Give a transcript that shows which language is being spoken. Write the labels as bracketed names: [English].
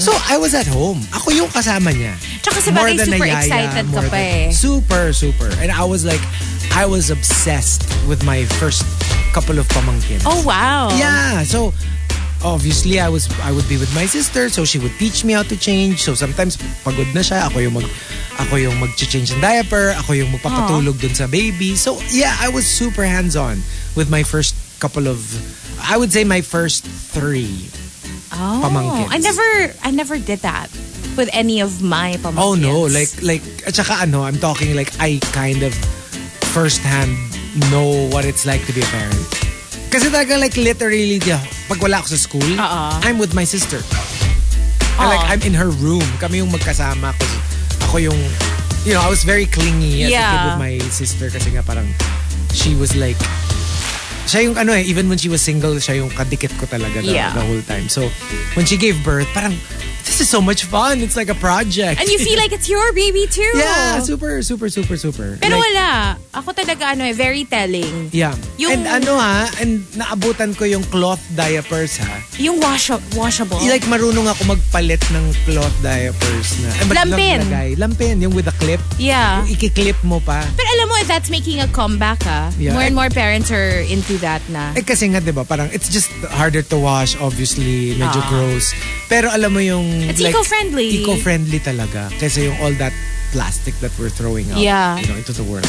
[English] So I was at home. [Filipino] Ako yung kasama niya. Tsaka sa bagay super yaya, excited ka pa eh. [English] Super, super. And I was like, I was obsessed with my first couple of pamangkins. Oh, wow. Yeah, so obviously, I would be with my sister, so she would teach me how to change. [Filipino] So sometimes, pagod na siya, ako yung mag change ng diaper, ako yung magpapatulog dun sa baby. [English] So yeah, I was super hands-on with my first couple of, I would say my first three pamangkins. I never did that with any of my pamangkins. Oh no, like [Filipino] at saka ano, [English] I'm talking like I kind of firsthand know what it's like to be a parent. [Filipino] Kasi talaga like literally pag wala ako sa school, I'm with my sister. [English] And, like I'm in her room. [Filipino] Kami yung magkasama. Ako yung, [English] you know, I was very clingy as a kid with my sister [Filipino] kasi nga parang [English] she was like [Filipino] siya yung ano eh, [English] even when she was single, [Filipino] siya yung kadikit ko talaga [English] the whole time. So, when she gave birth, parang, this is so much fun. It's like a project. And you feel like it's your baby too. Yeah, super, super, super, super. [Filipino] Pero like, wala. Ako talaga ano eh, very telling. Yeah. Yung, and ano ha, and naabutan ko yung cloth diapers ha. Yung washable. Like marunong ako magpalit ng cloth diapers na. Lampin. Lampin, yung [English] with a clip. Yeah. [Filipino] Yung ikiklip mo pa. Pero alam mo, [English] that's making a comeback ha. Yeah. More and more parents are into that na. Eh kasi nga diba, parang it's just harder to wash, obviously. [Filipino] Medyo gross. Pero alam mo yung [English] It's eco-friendly [Filipino] talaga. Kasi yung [English] all that plastic that we're throwing out you know, into the world.